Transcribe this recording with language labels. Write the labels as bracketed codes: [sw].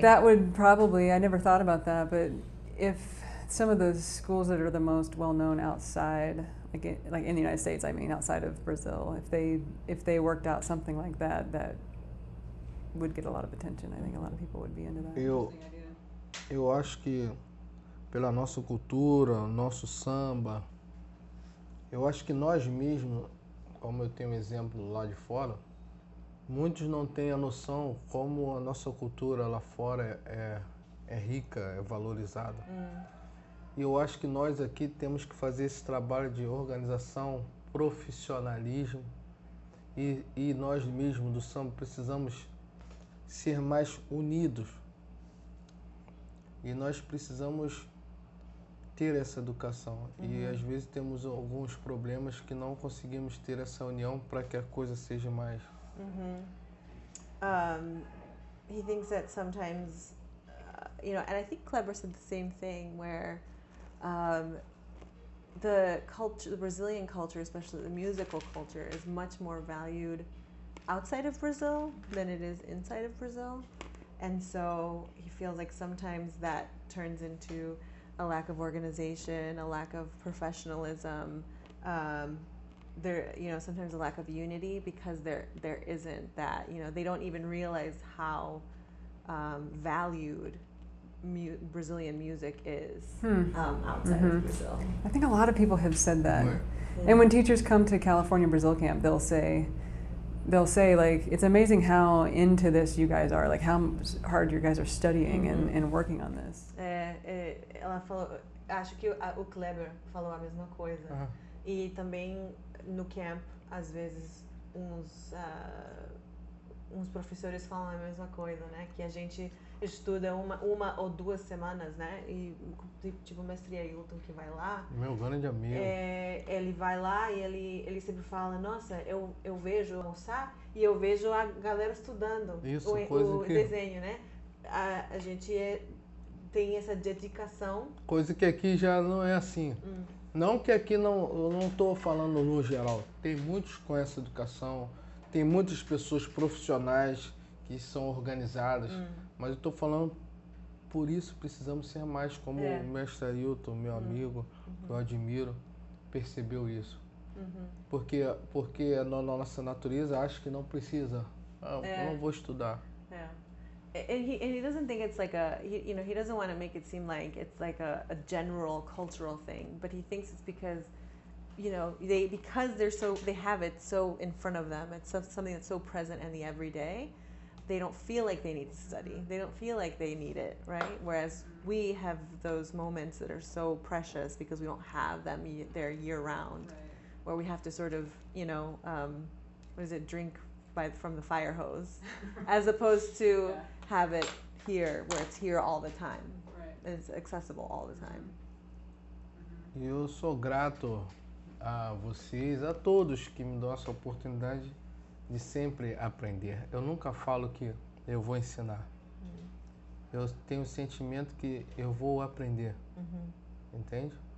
[en] That would probably, I never thought about that, but if some of the schools that are the most well-known outside, like in the United States, I mean, outside of Brazil, if they worked out something like that, that would get a lot of attention. I think a lot of people would be into that. [pt] Eu acho que pela nossa cultura, nosso samba, eu acho que nós mesmos, como eu tenho um exemplo lá de fora, muitos não têm a noção como a nossa cultura lá fora é rica, é valorizada. E eu acho que nós aqui temos que fazer esse trabalho de organização, profissionalismo, e nós mesmos do samba precisamos ser mais unidos. E nós precisamos ter essa educação. E às vezes temos alguns problemas que não conseguimos ter essa união para que a coisa seja mais. [en] He thinks that sometimes, you know, and I think Kleber said the same thing, where the culture, the Brazilian culture, especially the musical culture, is much more valued outside of Brazil than it is inside of Brazil. And so he feels like sometimes that turns into a lack of organization, a lack of professionalism, sometimes a lack of unity, because there isn't that, you know, they don't even realize how valued Brazilian music is outside of Brazil. I think a lot of people have said that. Yeah. And when teachers come to California Brazil Camp, they'll say, like, it's amazing how into this you guys are, like, how hard you guys are studying and working on this. [pt] Ela falou, acho que o Kleber falou a mesma coisa. E também no camp, às vezes, uns professores falam a mesma coisa, né? Que a gente estuda uma ou duas semanas, né? E tipo o mestre Ailton, que vai lá. Meu grande amigo. Ele vai lá e ele sempre fala, nossa, eu vejo almoçar e eu vejo a galera estudando. Isso, desenho, né? A gente tem essa dedicação. Coisa que aqui já não é assim. Não que aqui eu não tô falando no geral. Tem muitos com essa educação, tem muitas pessoas profissionais que são organizadas. Mas eu tô falando, por isso precisamos ser mais, como o mestre Ailton, meu amigo, que eu admiro, percebeu isso. Porque na nossa natureza, acho que não precisa. Eu não vou estudar. [en] And he doesn't think it's like a, you know, he doesn't want to make it seem like it's like a general cultural thing, but he thinks it's because, you know, they have it so in front of them, it's something that's so present in the everyday, they don't feel like they need to study, they don't feel like they need it, right? Whereas we have those moments that are so precious because we don't have them there year round, right, where we have to sort of, you know, drink from the fire hose, as opposed to have it here where it's here all the time. Right. It's accessible all the time. [pt] Eu sou grato a vocês, a todos que me dão essa oportunidade de sempre aprender. Eu nunca falo que eu vou ensinar. Uhum. Eu tenho o sentimento que eu vou aprender. Uhum. Entende?